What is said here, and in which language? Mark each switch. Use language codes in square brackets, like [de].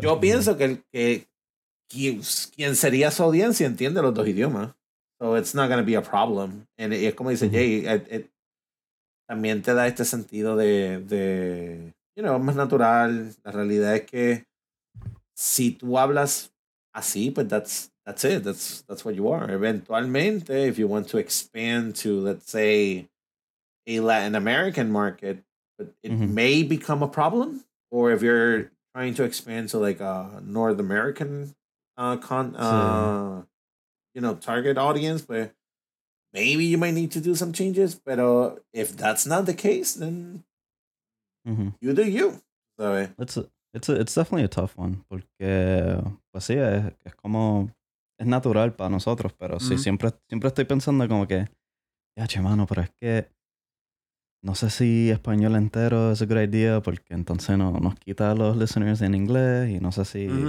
[es] Yo pienso que quien sería su audiencia entiende los dos idiomas. [en] So it's not going to be a problem. [es] Y es como dice Jay, [en] it [es] también te da este sentido de, you know, más natural. La realidad es que si tú hablas así, pues [en] that's it. That's what you are. [es] Eventualmente, [en] if you want to expand to, let's say, a Latin American market, but it may become a problem. Or if you're trying to expand to like a North American you know, target audience, but maybe you might need to do some changes. But if that's not the case, then you do you. So it's definitely a tough one. [es] Porque pues sí, es como es natural para nosotros, pero sí siempre estoy pensando como que ya, chemano, pero es que no sé si español entero es [en] a good idea [es] porque entonces no nos quita a los [en] listeners [es] en inglés y no sé si